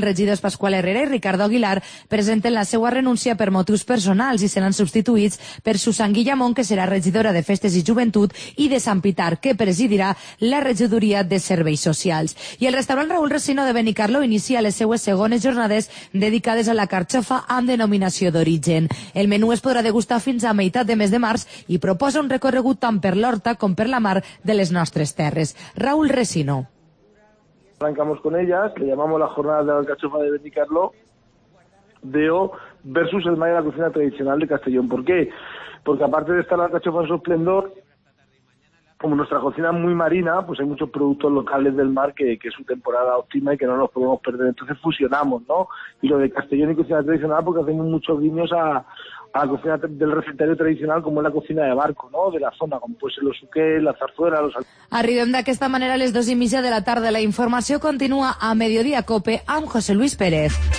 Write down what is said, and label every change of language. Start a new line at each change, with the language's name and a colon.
Catalan: Els regidors Pasqual Herrera i Ricardo Aguilar presenten la seva renúncia per motius personals i seran substituïts per Susan Guillamón, que serà regidora de Festes i Joventut, i de Sant Pitar, que presidirà la regidoria de Serveis Socials. I el restaurant Raül Resino de Benicarló inicia les seues segones jornades dedicades a la carxofa amb denominació d'origen. El menú es podrà degustar fins a meitat de mes de març i proposa un recorregut tant per l'horta com per la mar de les nostres terres. Raül Resino.
Spanish: Arrancamos con ellas, le llamamos la jornada de la alcachofa de Benicarló de O versus el mar de la cocina tradicional de Castellón. ¿Por qué? Porque aparte de estar la alcachofa en su esplendor, como nuestra cocina es muy marina, pues hay muchos productos locales del mar que es su temporada óptima y que no nos podemos perder. Entonces fusionamos, ¿no? Y lo de Castellón y cocina tradicional porque hacemos muchos guiños a la cocina del recetario tradicional, como es la cocina de barco, ¿no?, de la zona, como pues los suqués, la zarzuela, los...
Catalan: Arribem d'aquesta manera a les 2:30 de la tarda. La informació continua a Mediodía Cope amb José Luis Pérez.